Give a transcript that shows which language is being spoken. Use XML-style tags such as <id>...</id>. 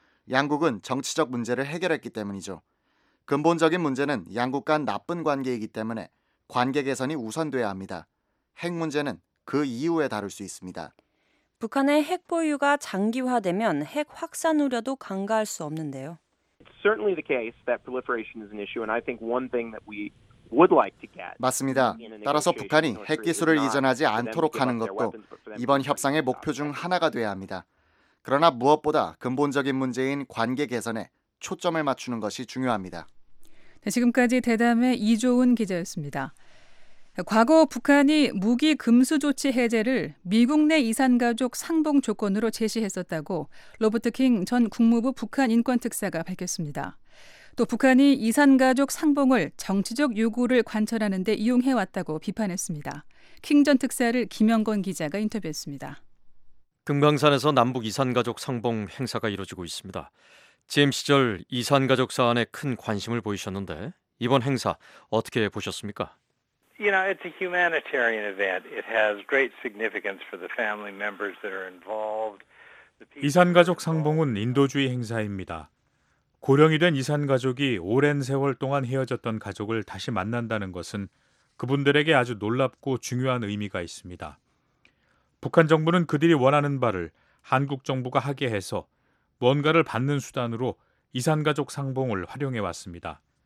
<ko>양국은 정치적 문제를 해결했기 때문이죠. 근본적인 문제는 양국 간 나쁜 관계이기 때문에 관계 개선이 우선돼야 합니다. 핵 문제는 그 이후에 다룰 수 있습니다. 북한의 핵 보유가 장기화되면 핵 확산 우려도 간과할 수 없는데요.</ko> <en>It's certainly the case that proliferation is an issue, and I think one thing that we would like to get.</en> <ko>맞습니다. 따라서 북한이 핵 기술을 이전하지 않도록 하는 것도 이번 협상의 목표 중 하나가 돼야 합니다. 그러나 무엇보다 근본적인 문제인 관계 개선에 초점을 맞추는 것이 중요합니다. 네, 지금까지 대담의 이조은 기자였습니다. 과거 북한이 무기 금수 조치 해제를 미국 내 이산가족 상봉 조건으로 제시했었다고 로버트 킹 전 국무부 북한인권특사가 밝혔습니다. 또 북한이 이산가족 상봉을 정치적 요구를 관철하는 데 이용해왔다고 비판했습니다. 킹 전 특사를 김영건 기자가 인터뷰했습니다. 금강산에서 남북 이산가족 상봉 행사가 이루어지고 있습니다. 재임 시절 이산가족 사안에 큰 관심을 보이셨는데 이번 행사 어떻게 보셨습니까?</ko> <en>You know, it's a humanitarian event. It has great significance for the family members that are involved.</en> <ko>이산가족 상봉은 인도주의 행사입니다. 고령이 된 이산가족이 오랜 세월 동안 헤어졌던 가족을 다시 만난다는 것은 그분들에게 아주 놀랍고 중요한 의미가 있습니다. 북한 정부는 그들이 원하는 바를 한국 정부가 하게 해서 뭔가를 받는 수단으로 이산가족 상봉을 활용해 왔습니다.</ko>